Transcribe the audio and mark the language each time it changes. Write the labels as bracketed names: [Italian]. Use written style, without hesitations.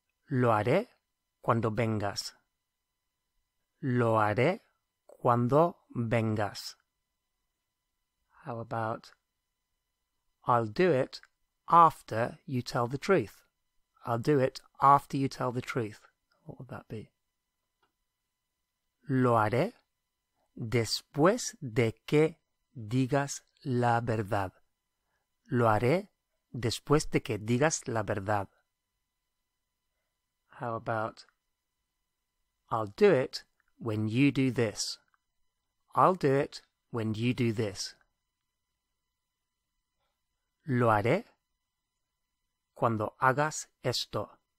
[Spanish] Lo haré cuando vengas. Lo haré cuando vengas. [English] How about, I'll do it after you tell the truth. I'll do it after you tell the truth. What would that be? [Spanish] Lo haré después de que digas la verdad. Lo haré después de que digas la verdad. [English] How about, I'll do it when you do this. I'll do it when you do this. [Spanish] Lo haré cuando hagas esto.